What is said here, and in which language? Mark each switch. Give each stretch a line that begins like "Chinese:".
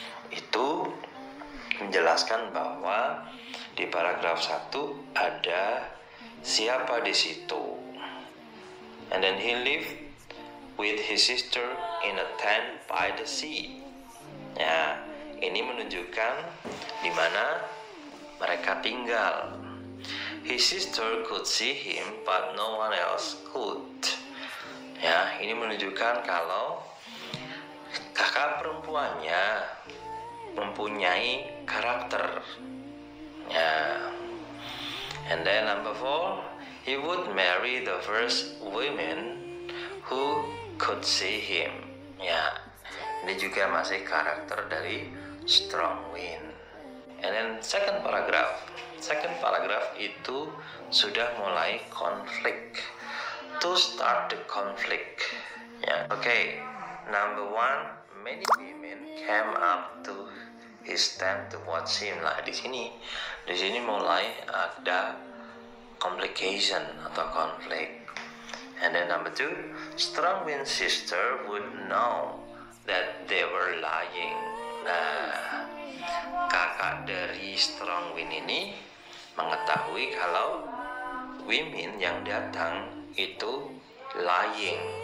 Indonesian: Itu menjelaskan bahwa di paragraf 1 ada siapa di situ.
English: And then he lived with his sister in a tent by the sea.
Indonesian: Ya, ini menunjukkan di mana mereka tinggal.
English: His sister could see him, but no one else could.
Indonesian: Ya, ini menunjukkan kalau kakak perempuannya mempunyai karakter. Yeah.
English: And then number 4, he would marry the first woman who could see him. Yeah.
Indonesian: Ini juga masih karakter dari Strong Wind.
English: And then second paragraph
Indonesian: itu sudah mulai konflik.
English: To start the conflict. Yeah. Okay. Number 1, many women came up to his tent to watch him.
Indonesian: Lah, di sini mulai ada complication atau conflict.
English: And then number 2, Strong Wind sister would know that they were lying.
Indonesian: Nah, kakak dari Strong Wind ini mengetahui kalau women yang datang itu lying.